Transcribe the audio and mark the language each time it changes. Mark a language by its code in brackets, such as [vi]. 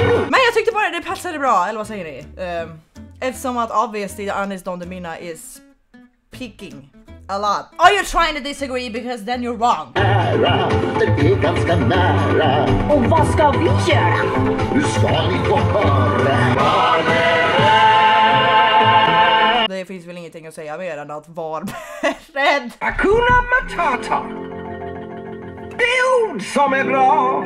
[sv] Men jag tyckte bara det passade bra, eller vad säger ni? Eftersom att [en] obviously Anis Don Demina is peaking a lot. Are you trying to disagree because then you're wrong? [sv] Nära, det blir ganska nära. Och vad ska vi göra? Nu ska ni få höra. Var det finns väl ingenting att säga mer än att var beredd. Hakuna Matata. Det är ord som är bra.